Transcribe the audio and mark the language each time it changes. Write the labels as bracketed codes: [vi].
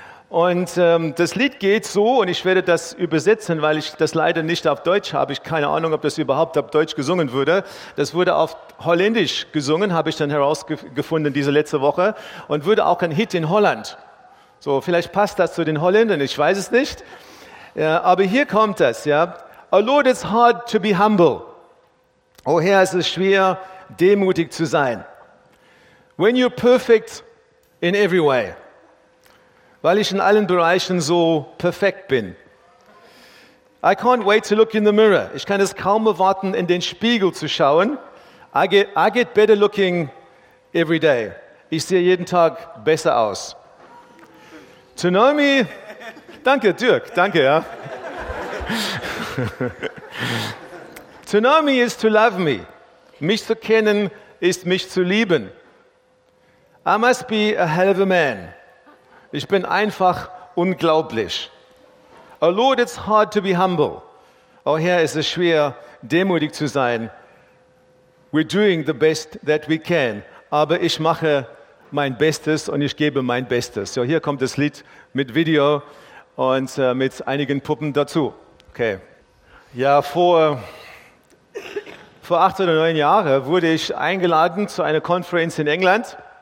[de] Und das Lied geht so, und ich werde das übersetzen, weil ich das leider nicht auf Deutsch habe. Ich keine Ahnung, ob das überhaupt auf Deutsch gesungen würde. Das wurde auf Holländisch gesungen, habe ich dann herausgefunden diese letzte Woche, und wurde auch ein Hit in Holland. So, vielleicht passt das zu den Holländern, ich weiß es nicht. Ja, aber hier kommt das, ja. [en] Oh Lord, it's hard to be humble. [de] Oh Herr, es ist schwer, demütig zu sein. [en] When you're perfect in every way. [de] Weil ich in allen Bereichen so perfekt bin. [en] I can't wait to look in the mirror. [de] Ich kann es kaum erwarten, in den Spiegel zu schauen. [en] I get better looking every day. [de] Ich sehe jeden Tag besser aus. [en] To know me... [de] Danke, Dirk, danke, ja. [en] To know me is to love me. [de] Mich zu kennen ist mich zu lieben. [en] I must be a hell of a man. [de] Ich bin einfach unglaublich. [en] Oh Lord, it's hard to be humble. [de] Oh Herr, es ist schwer, demütig zu sein. [en] We're doing the best that we can. [de] Aber ich mache mein Bestes und ich gebe mein Bestes. So, hier kommt das Lied mit Video und mit einigen Puppen dazu. Okay. Ja, vor 8 oder 9 Jahren wurde ich eingeladen zu einer Konferenz in England.